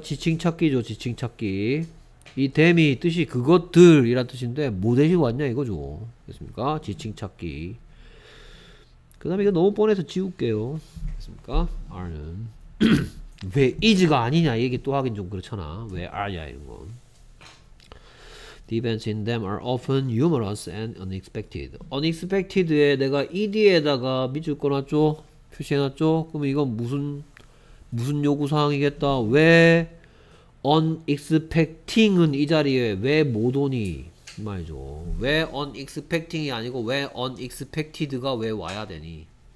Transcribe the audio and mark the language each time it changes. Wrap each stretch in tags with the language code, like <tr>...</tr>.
<ko>지칭찾기죠, 지칭찾기. 이 them이 뜻이 그것들이란 뜻인데, 뭐 대신 왔냐 이거죠. 됐습니까? 지칭찾기. 그 다음에 이거 너무 뻔해서 지울게요. 됐습니까? R는. 왜 is가 아니냐? 얘기 또 하긴 좀 그렇잖아. 왜 R냐? 이런 거.</ko> <en>The events in them are often humorous and unexpected.</en> <ko>Unexpected에 내가 ed에다가 밑줄 꺼놨죠? 표시해놨죠? 그럼 이건 무슨 요구사항이겠다. 왜 unexpecting은 이 자리에 왜못 오니? 말이죠. 왜 unexpecting이 아니고 왜 unexpected가 왜 와야 되니?</ko>